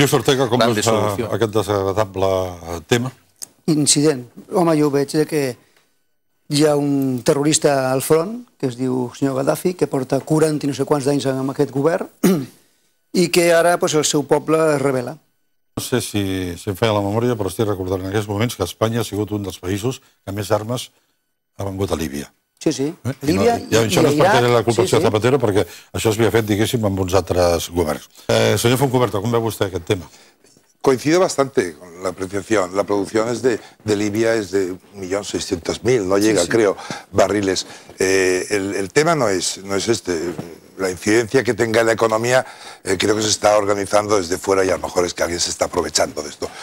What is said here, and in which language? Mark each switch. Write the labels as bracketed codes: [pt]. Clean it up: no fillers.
[es] Lluís Ortega, ¿cómo es aquest desagradable tema? [ca] Incident. Home, yo veig que hi ha un terrorista al front, que es diu senyor Gaddafi, que porta 40 i no sé quants d'anys amb aquest govern, i que ara el seu poble es rebel·la. No sé si em feia la memòria, però estic recordant en aquests moments que Espanya ha sigut un dels països que més armes ha vengut a Líbia. Sí, sí. Líbia i Iraq. Això no és per tenir la culpa de Zapatero, perquè això s'havia fet, diguéssim, amb uns altres governs. Senyor Fontcuberta, com veu vostè aquest tema? [es] Coincido bastante con la apreciación. La producción es de Libia es de 1.600.000, no llega, creo, barriles. El tema no es este. La incidencia que tenga en la economía creo que se está organizando desde fuera y a lo mejor es que alguien se está aprovechando de esto.